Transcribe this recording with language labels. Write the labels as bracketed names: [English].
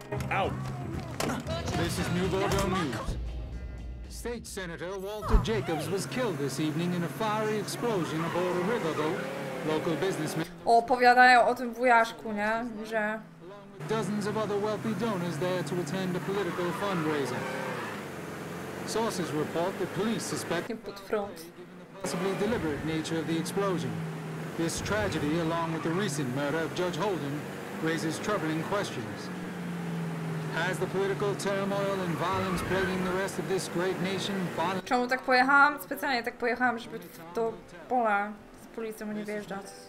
[English] Out. This is Nouveau News. State Senator Walter Jacobs was killed this evening in a fiery explosion aboard a riverboat. Local businessman. [Polish] Opowiadają o tym wujaszku, nie? Że. [English] Dozens of other wealthy donors there to attend a political fundraiser. Sources report that police suspect. Put front. Possibly deliberate nature of the explosion. This tragedy, along with the recent murder of Judge Holden, raises troubling questions. Has the political turmoil and violence plaguing the rest of this great nation finally? [Polish] Czemu tak pojechałam? Specjalnie tak pojechałam, żeby do pola z policją nie wjeżdżać.